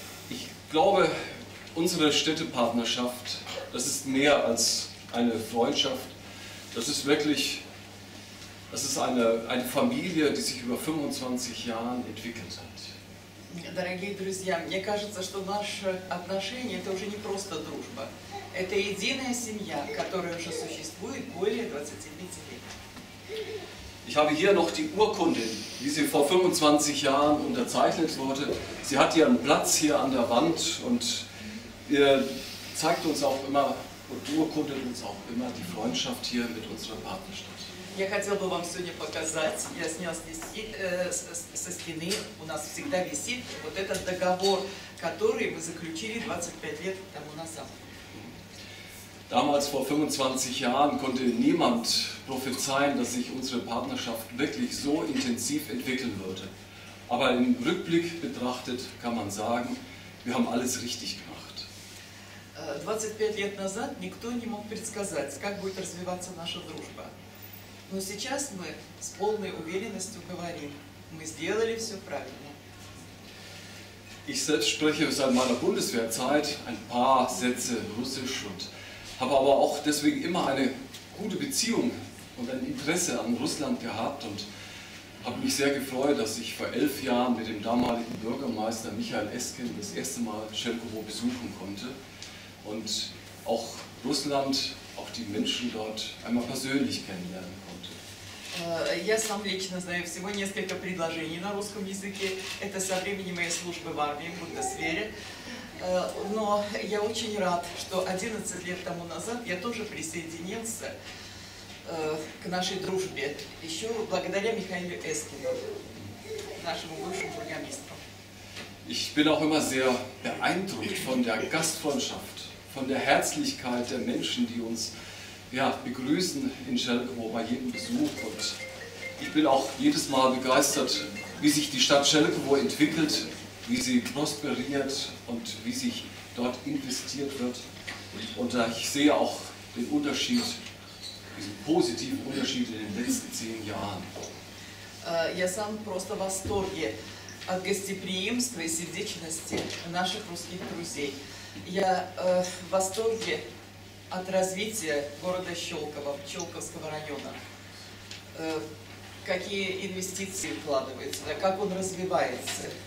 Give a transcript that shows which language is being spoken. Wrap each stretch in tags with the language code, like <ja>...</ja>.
<de>Ich glaube, unsere Städtepartnerschaft, das ist mehr als eine Freundschaft. Das ist wirklich, das ist eine Familie, die sich über 25 Jahren entwickelt hat.</de> <ru>дорогие друзья, мне кажется, что наши отношения – это уже не просто дружба. Это единая семья, которая уже существует более 25 лет.</ru> <de>Ich habe hier noch die Urkunde, wie sie vor 25 Jahren unterzeichnet wurde. Sie hat ihren Platz hier an der Wand und zeigt uns auch immer und urkundet uns auch immer die Freundschaft hier mit unserer Partnerstadt.</de> <ru>Я хотел бы вам сегодня показать, я снял здесь со стены, у нас всегда висит вот этот договор, который мы заключили 25 лет тому назад.</ru> <de>Damals, vor 25 Jahren, konnte niemand prophezeien, dass sich unsere Partnerschaft wirklich so intensiv entwickeln würde. Aber im Rückblick betrachtet kann man sagen, wir haben alles richtig gemacht.</de> <ru>25 лет назад никто не мог предсказать, как будет развиваться наша дружба. Но сейчас мы с полной уверенностью говорим, мы сделали все правильно.</ru> <de>Ich selbst spreche seit meiner Bundeswehrzeit ein paar Sätze Russisch und habe aber auch deswegen immer eine gute Beziehung und ein Interesse an Russland gehabt und habe mich sehr gefreut, dass ich vor 11 Jahren mit dem damaligen Bürgermeister Michael Eskin das erste Mal Chelkovo besuchen konnte und auch Russland, auch die Menschen dort einmal persönlich kennenlernen konnte.</de> <ru>Я сам лично знаю всего несколько предложений на русском языке. Это со времени моей службы в армии, в Бундесвере. Но я очень рад, что 11 лет тому назад я тоже присоединился к нашей дружбе. Еще благодаря Михаилу Эскину, нашему бывшему бургомистру.</ru> <de>Ich bin auch immer sehr beeindruckt von der Gastfreundschaft, von der Herzlichkeit der Menschen, die uns begrüßen in Chelkovo bei jedem Besuch. Und ich bin auch jedes Mal begeistert, wie sich die Stadt Chelkovo entwickelt, wie sie prosperiert und wie sich dort investiert wird. Und ich sehe auch den Unterschied, diesen positiven Unterschied in den letzten 10 Jahren.</de> <ru>Я сам просто в восторге от гостеприимства и сердечности наших русских друзей. Я в восторге от развития города Щелково, Щелковского района. Какие инвестиции вкладываются, да, как он развивается.</ru>